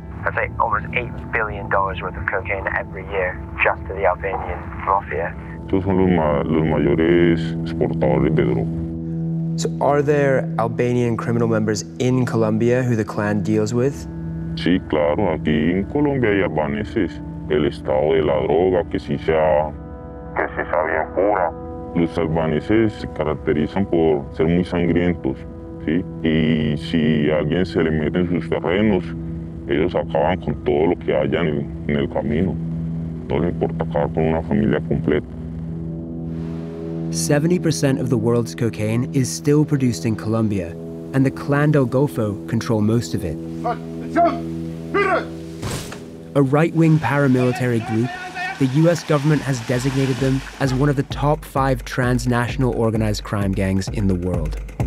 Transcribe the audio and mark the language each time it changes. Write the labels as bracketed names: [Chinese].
[English] That's like almost $8 billion worth of cocaine every year just to the Albanian mafia. [Spanish] Estos son los mayores exportadores de droga. [English] So are there Albanian criminal members in Colombia who the clan deals with? [Spanish] Sí, claro, aquí en Colombia hay albaneses. El estado de la droga, que sí sea bien pura. Los albaneses se caracterizan por ser muy sangrientos, ¿sí? Y si alguien se le mete en sus terrenos, ellos acaban con todo lo que haya en el camino. No les importa acabar con una familia completa. [English] 70% of the world's cocaine is still produced in Colombia, and the Clan del Golfo control most of it. A right-wing paramilitary group, the US government has designated them as one of the top 5 transnational organized crime gangs in the world.